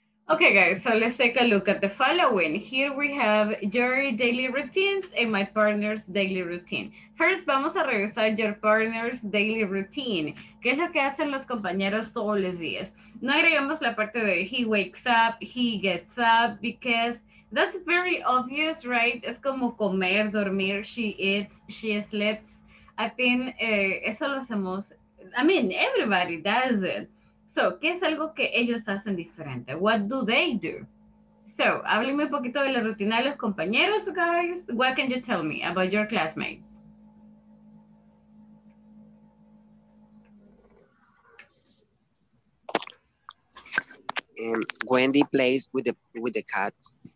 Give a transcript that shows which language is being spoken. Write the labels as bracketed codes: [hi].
[en] Okay, guys, so let's take a look at the following. Here we have your daily routines and my partner's daily routine. First, [es] vamos a revisar [en] your partner's daily routine. [es] ¿Qué es lo que hacen los compañeros todos los días? No agregamos la parte de [en] he wakes up, he gets up, because that's very obvious, right? [es] Es como comer, dormir, [en] she eats, she sleeps. I think [es] eso lo hacemos, [en] I mean, everybody does it. [es] So, ¿qué es algo que ellos hacen diferente? [en] What do they do? [es] So, háblenme un poquito de la rutina de los compañeros, guys. [en] What can you tell me about your classmates? Wendy plays with the cats.